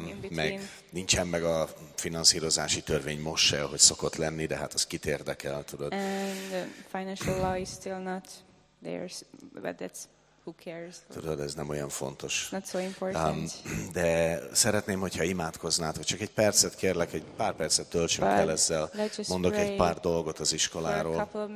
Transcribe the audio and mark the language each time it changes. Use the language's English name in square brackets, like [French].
[Hungarian] Meg nincsen meg a finanszírozási törvény most se, ahogy szokott lenni, de hát az kit érdekel, tudod. [English] And the financial law is still not there, but that's... [Hungarian] Tudod, ez nem olyan fontos. [English] Not so important. [Hungarian] De szeretném, hogyha imádkoznátok. Csak egy percet kérlek, egy pár percet töltsünk [English] But [Hungarian] el ezzel. Mondok egy pár dolgot az iskoláról.